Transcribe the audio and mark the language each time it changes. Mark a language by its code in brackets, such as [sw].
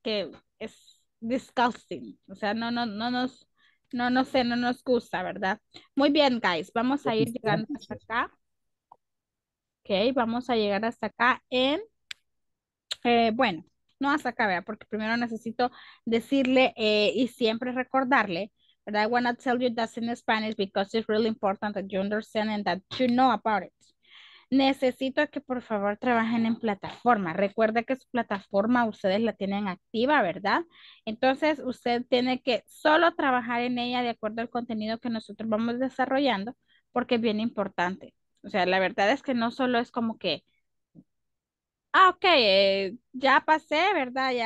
[es] Que es disgusting. O sea, no nos gusta, ¿verdad? Muy bien, guys. Vamos a ir llegando hasta acá. Ok, vamos a llegar hasta acá en, bueno, no hasta acá, ¿verdad? Porque primero necesito decirle y siempre recordarle. [en] But I want to tell you that in Spanish because it's really important that you understand and that you know about it. [es] Necesito que por favor trabajen en plataforma. Recuerda que su plataforma ustedes la tienen activa, ¿verdad? Entonces usted tiene que solo trabajar en ella de acuerdo al contenido que nosotros vamos desarrollando porque es bien importante. O sea, la verdad es que no solo es como que, ah, ok, ya pasé, ¿verdad?